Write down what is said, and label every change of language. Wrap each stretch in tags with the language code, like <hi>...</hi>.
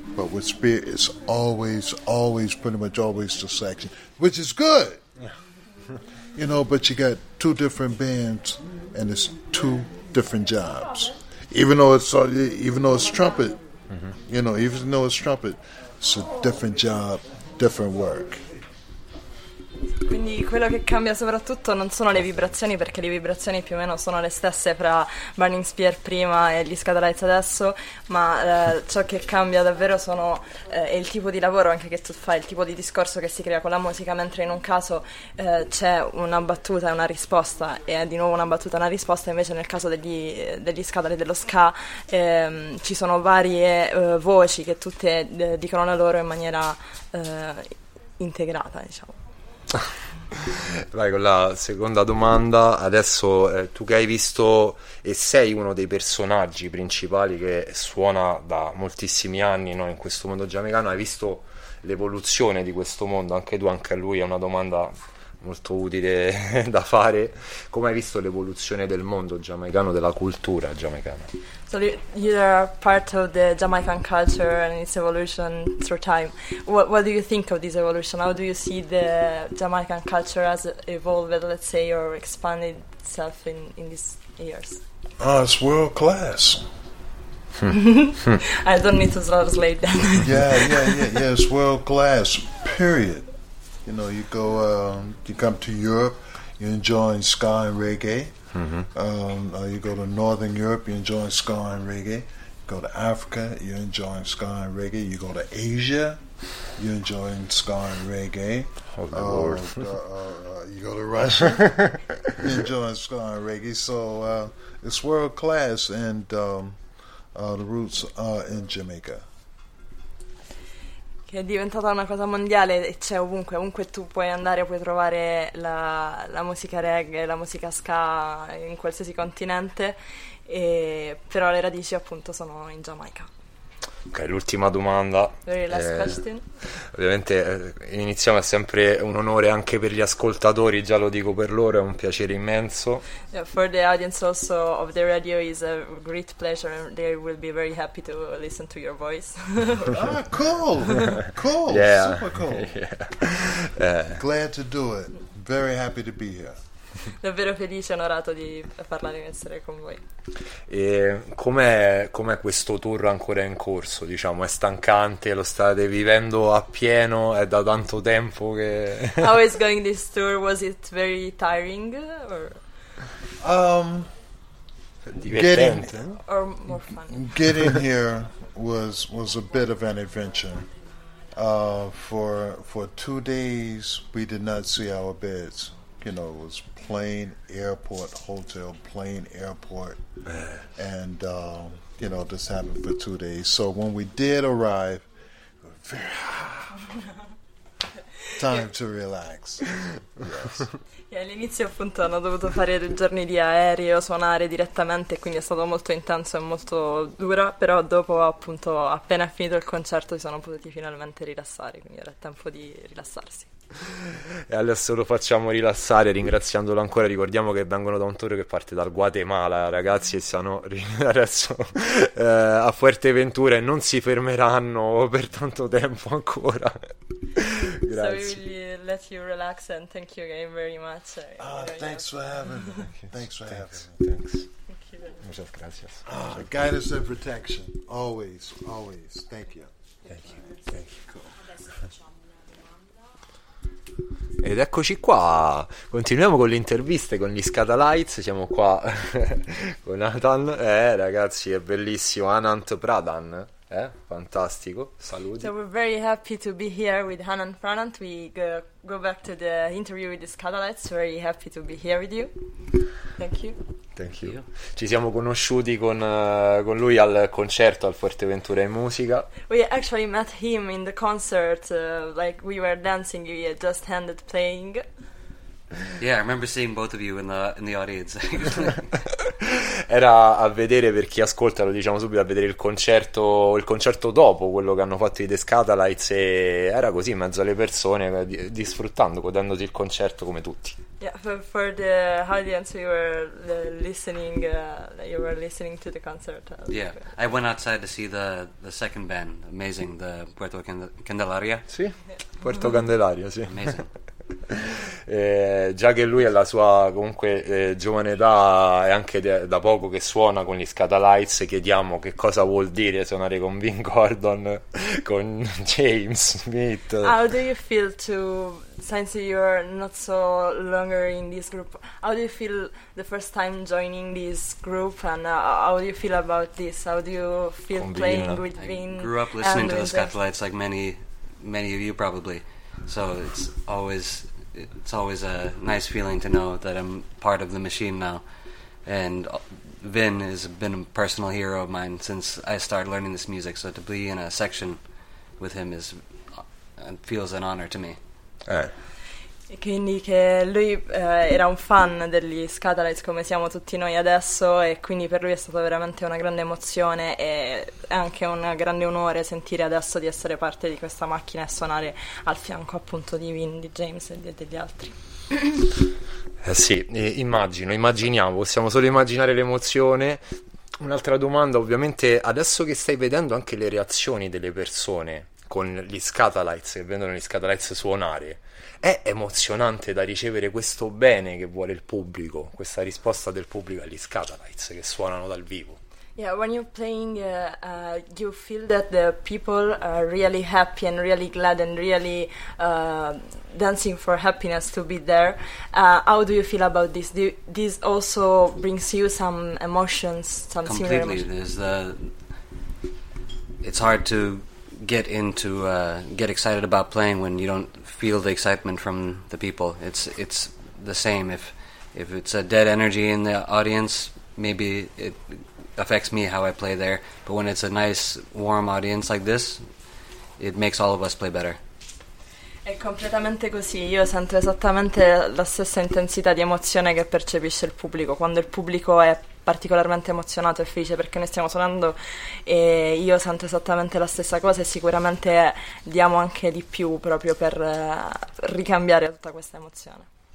<en>But with Spear, it's always, pretty much always the section, which is good. You know, but you got two different bands, and it's two different jobs. Even though it's trumpet, mm-hmm. Even though it's trumpet, it's a different job, different work.</en> <it>Quindi quello che cambia soprattutto non sono le vibrazioni, perché le vibrazioni più o meno sono le stesse fra Burning Spear prima e gli Scada Lights adesso, ma ciò che cambia davvero sono il tipo di lavoro anche che tu fai, il tipo di discorso che si crea con la musica, mentre in un caso c'è una battuta e una risposta, e di nuovo una battuta e una risposta, invece nel caso degli Scada Lights, dello ska, ci sono varie voci che tutte dicono la loro in maniera integrata, diciamo. Vai con la seconda domanda. Adesso tu che hai visto e sei uno dei personaggi principali che suona da moltissimi anni, no, in questo mondo giamaicano, hai visto l'evoluzione di questo mondo? Anche tu, anche a lui è una domanda molto utile da fare. Come hai visto l'evoluzione del mondo giamaicano, della cultura giamaicana?</it> <en>So you're part of the Jamaican culture and its evolution through time. What do you think of this evolution? How do you see the Jamaican culture has evolved, let's say, or expanded itself in these years? It's world class. I don't need to translate that. Yeah, it's world class, period. You know, you go, you come to Europe, you're enjoying ska and reggae. Mm-hmm. You go to Northern Europe, you're enjoying ska and reggae. You go to Africa, you're enjoying ska and reggae. You go to Asia, you're enjoying ska and reggae. You go to Russia, you're enjoying ska and reggae. So it's world class, and the roots are in Jamaica.</en> <it>È diventata una cosa mondiale e c'è ovunque tu puoi andare, puoi trovare la musica reggae, la musica ska in qualsiasi continente, però le radici appunto sono in Giamaica. Ok, l'ultima domanda.</it> <en>Last question.</en> <it>Ovviamente iniziamo, è sempre un onore anche per gli ascoltatori, già lo dico per loro, è un piacere immenso.</it> <en>Yeah, for the audience also of the radio is a great pleasure and they will be very happy to listen to your voice. cool, yeah. Super cool. Yeah. Glad to do it, very happy to be here.</en> <it>davvero felice e onorato di parlare e essere con voi. E com'è questo tour ancora in corso? Diciamo, è stancante, lo state vivendo appieno, è da tanto tempo che...</it> <en>How is going this tour? Was it very tiring? Or...</en> <it>Divertente?</it> <en>Or more fun? Getting here was a bit of an adventure. For 2 days we did not see our beds. You know, it was plane, airport, hotel, plane, airport, and you know, this happened for 2 days. So when we did arrive, very time to relax. Yes.</en> <it>E all'inizio appunto hanno dovuto fare 2 giorni di aereo, suonare direttamente, quindi è stato molto intenso e molto duro, però dopo appunto appena finito il concerto si sono potuti finalmente rilassare, quindi era tempo di rilassarsi. E adesso lo facciamo rilassare ringraziandolo ancora. Ricordiamo che vengono da un tour che parte dal Guatemala, ragazzi, e stanno adesso a Fuerteventura e non si fermeranno per tanto tempo ancora. Grazie.</it> <en>So we will let you relax and thank you again very much. Thanks for having me. Thanks for having me. Thanks. Thank you.</en> <es>Muchas gracias.</es> <en>Guidance and protection. Always, always. Thank you. Thank you. Thank you.</en> <it>Ed eccoci qua, continuiamo con le interviste con gli Scatalites. Siamo qua con Anant, ragazzi, è bellissimo, Anant Pradhan, fantastico, saluti.</it> <en>So we're very happy to be here with Anant Pradhan. We go back to the interview with the Scatalites, very happy to be here with you. Thank you. Thank you.</en> <it>Ci siamo conosciuti con lui al concerto al Fuerteventura in musica.</it> <en>We actually met him in the concert, like we were dancing, we had just ended playing. Yeah, I remember seeing both of you in the audience.</en> <it>Era a vedere, per chi ascolta, lo diciamo subito, a vedere il concerto dopo, quello che hanno fatto i The Scatalites, e era così in mezzo alle persone, disfruttando, godendosi il concerto come tutti.</it> <en>Yeah, for the audience, we were listening. You were listening to the concert. Yeah, I went outside to see the second band. Amazing, the Puerto Candelaria.</en> <it>Sì, Puerto Candelaria, sì.</it> <en>Amazing.</en> <it>Già che lui è la sua comunque giovane età e anche da poco che suona con gli Scatalites, chiediamo che cosa vuol dire suonare con Vin Gordon, con James Smith.</it> <en>How do you feel to, since you are not so longer in this group, how do you feel the first time joining this group, and how do you feel about this, how do you feel</en> <it>con</it> <en>playing Vin, with Vin? I grew up listening to the Scatalites like many of you probably. So it's always a nice feeling to know that I'm part of the machine now. And Vin has been a personal hero of mine since I started learning this music, so to be in a section with him feels an honor to me.</en> <it>Quindi che lui era un fan degli Scatalites come siamo tutti noi adesso, e quindi per lui è stata veramente una grande emozione e anche un grande onore sentire adesso di essere parte di questa macchina e suonare al fianco appunto di Vin, di James e degli altri. Sì, immaginiamo, possiamo solo immaginare l'emozione. Un'altra domanda, ovviamente, adesso che stai vedendo anche le reazioni delle persone con gli Scatalites, che vedono gli Scatalites suonare, è emozionante da ricevere questo bene che vuole il pubblico, questa risposta del pubblico agli Scatalites che suonano dal vivo?</it> <en>Yeah, when you're playing, you feel that the people are really happy and really glad and really dancing for happiness to be there. How do you feel about this? This also brings you some emotions, some similar emotions? It's hard to get into get excited about playing when you don't feel the excitement from the people. It's the same. If it's a dead energy in the audience, maybe it affects me how I play there. But when it's a nice, warm audience like this, it makes all of us play better.</en> <it>È completamente così, io sento esattamente la stessa intensità di emozione che percepisce il pubblico, quando il pubblico è particolarmente emozionato e felice perché noi stiamo suonando, e io sento esattamente la stessa cosa, e sicuramente diamo anche di più proprio per ricambiare tutta questa emozione.</it>